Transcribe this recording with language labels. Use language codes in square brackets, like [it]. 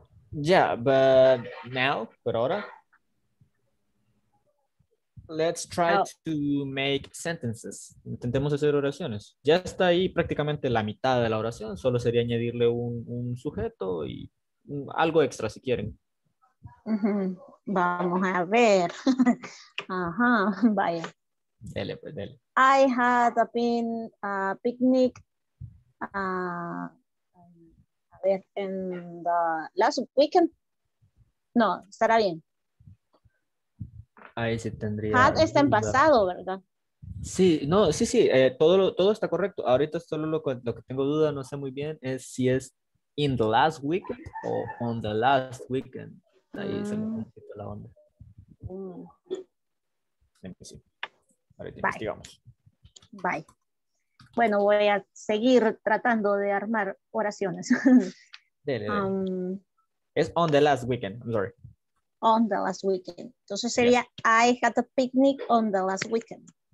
[en] Yeah, but now, [es] por ahora, [en] let's try to make sentences. [es] Intentemos hacer oraciones. Ya está ahí prácticamente la mitad de la oración. Solo sería añadirle un sujeto y algo extra si quieren. Vamos a ver. Ajá, vaya. Dele, pues, dele. [en] I had a picnic. [es] A ver, en [en] the last weekend. [es] No, estará bien. Ahí sí tendría. Had está en pasado, ¿verdad? Sí, no, sí, todo está correcto. Ahorita solo lo que tengo duda, no sé muy bien, es si es [en] in the last weekend [es] o [en] on the last weekend. [es] Ahí se me quitó la onda. Ahorita investigamos. [en] Bye. [es] Bueno, voy a seguir tratando de armar oraciones. Dele. Es [en] on the last weekend, I'm sorry. On the last weekend. [es] Entonces sería, [en] yes. I had a picnic on the last weekend.